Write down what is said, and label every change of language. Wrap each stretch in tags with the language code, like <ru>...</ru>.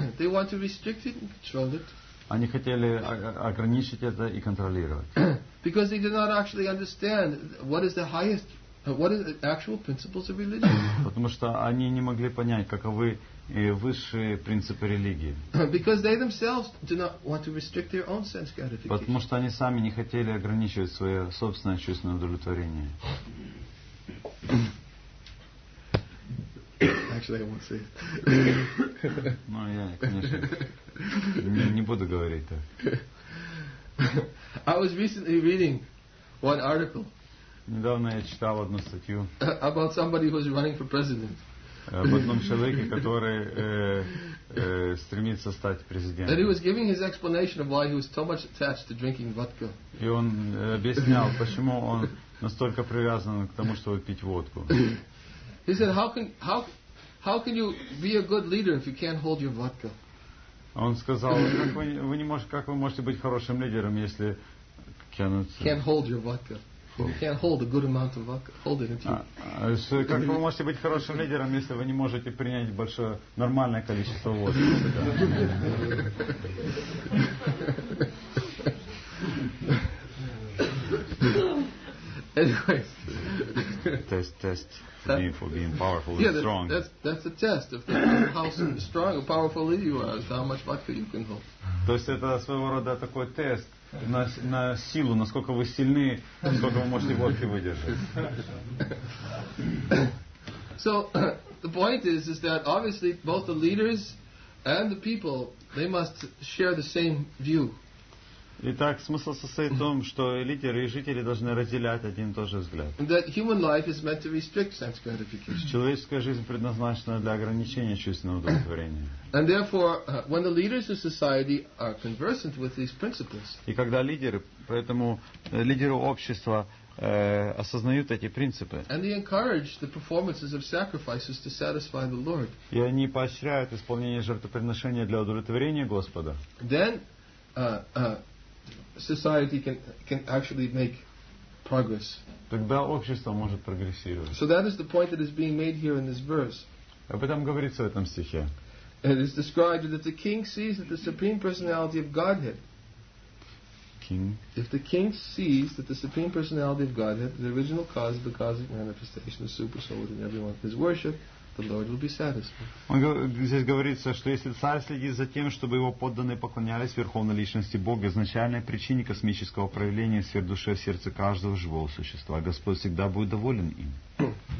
<en>They want to restrict it and control it.</en> <ru>Они хотели ограничить это и контролировать.</ru> <en>Because they did not actually understand what is the highest, what is the actual principles of religion.</en> <ru>Потому что они не могли понять, каковы высшие принципы религии.</ru> <en>Because they themselves did not want to restrict their own sense gratification.</en> <ru>Потому что они сами не хотели ограничивать свое собственное чувственное удовлетворение.</ru> <en>Actually, I won't say it.</en> <ru>Ну, я, конечно, не буду говорить так.</ru> <en>I was recently reading one article.</en> <ru>Недавно я читал одну статью.</ru> <en>About somebody who is running for president.</en> <ru>Об одном человеке, который стремится стать президентом.</ru> <en>And he was giving his explanation of why he was so much attached to drinking vodka.</en> <ru>И он объяснял, почему он настолько привязан к тому, чтобы пить водку.</ru> <en>He said, how can you be a good leader if you can't hold your vodka?</en> <ru>Он сказал, как вы можете быть хорошим лидером, если</ru> <en>can't hold your vodka? You can't hold a good amount of vodka. Hold it into you.</en> <ru>Как вы можете быть хорошим лидером, если вы не можете принять большое нормальное количество водки?</ru> <en>Anyways. Test for being powerful and strong. That's a test of how strong or powerful you are, how much vodka you can hold.</en> <ru>То есть это своего рода такой тест на силу, насколько вы сильны, насколько вы можете водки выдержать.</ru> <en>So the point is that obviously both the leaders and the people, they must share the same view.</en> <ru>Итак, смысл состоит в том, что лидеры и жители должны разделять один и тот же взгляд.</ru> <en>That human life is meant to restrict sense gratification.</en> <ru>Человеческая жизнь предназначена для ограничения чувственного удовлетворения.</ru> <en>And therefore, when the leaders of society are conversant with these principles,</en> <ru>и когда лидеры, поэтому лидеры общества осознают эти принципы,</ru> <en>and they encourage the performances of sacrifices to satisfy the Lord,</en> <ru>и они поощряют исполнение жертвоприношения для удовлетворения Господа,</ru> <en>then society can actually make progress.</en> <ru>Тогда общество может прогрессировать.</ru> <en>So that is the point that is being made here in this verse.</en> <ru>Об этом говорится в этом стихе.</ru> <en>It is described that if the king sees that the supreme personality of Godhead, king, if the king sees that the supreme personality of Godhead, the original cause, the cause of manifestation, the super soul in everyone, his worship, the Lord will be satisfied.</en> <ru>Он здесь говорится, что если царь следит за тем, чтобы его подданные поклонялись верховной личности Бога, изначальной причине космического проявления сверхдуши в сердце каждого живого существа, Господь всегда будет доволен им.</ru>